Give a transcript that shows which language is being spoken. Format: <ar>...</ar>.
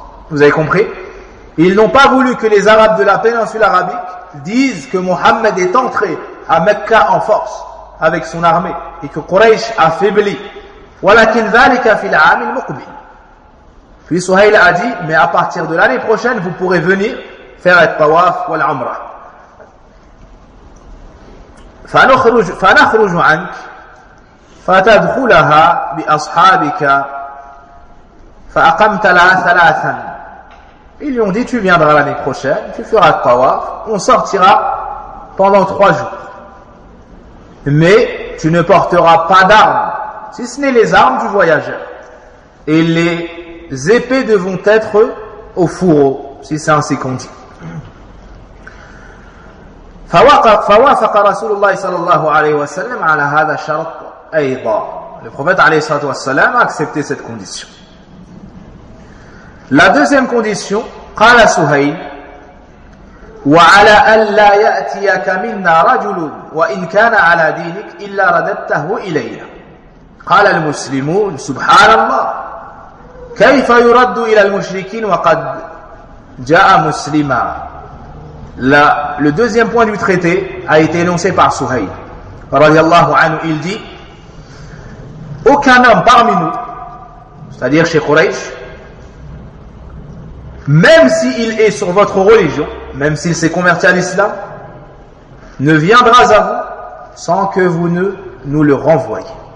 <fr>Vous avez compris ? Ils n'ont pas voulu que les Arabes de la péninsule arabique disent que Mohammed est entré à Mecca en force avec son armée et que Quraysh a faibli.</fr> <ar>Walakin dhalika fil 'am al-muqbil.</ar> <fr>Puis Suhayl a dit, mais à partir de l'année prochaine, vous pourrez venir faire le tawaf ou l'umra.</fr> <ar>فنخرج عنك فتدخلها بأصحابك فأقمت لها ثلاثا.</ar> <fr>Ils lui ont dit, tu viendras l'année prochaine, tu feras le tawaf, on sortira pendant trois jours. Mais tu ne porteras pas d'armes, si ce n'est les armes du voyageur. Et les épées devront être au fourreau, si c'est ainsi qu'on dit.</fr> <ar>فوافق رسول الله صلى الله عليه وسلم على هذا الشرط أيضا.</ar> <fr>Le prophète</fr> <ar>عليه الصلاة والسلام</ar> <fr>a accepté cette condition. La deuxième condition,</fr> <ar>قال سهيل وعلى أن لا يأتيك منا رجل وإن كان على دينك إلا رددته إلينا. قال المسلمون سبحان الله كيف يرد إلى المشركين وقد جاء مسلما.</ar> <fr>Le deuxième point du traité a été énoncé par Suhayl. Radiallahu anhu, il dit, aucun homme parmi nous, c'est-à-dire chez Quraysh, même s'il est sur votre religion, même s'il s'est converti à l'islam, ne viendra à vous sans que vous ne nous le renvoyiez.</fr>